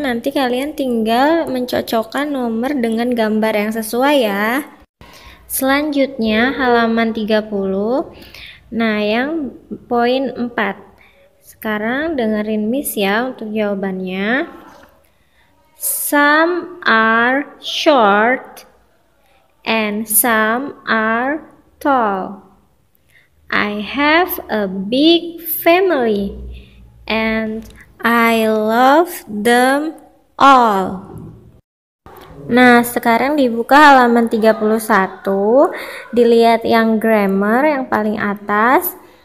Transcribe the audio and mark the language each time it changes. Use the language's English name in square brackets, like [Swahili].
[Indonesian] Nanti kalian tinggal mencocokkan nomor dengan gambar yang sesuai ya. Selanjutnya, halaman 30. Nah, yang poin 4. Sekarang dengerin Miss ya untuk jawabannya. [English] Some are short and some are tall. I have a big family and I love them all. [Indonesian] Nah, sekarang dibuka halaman 31, dilihat yang grammar yang paling atas.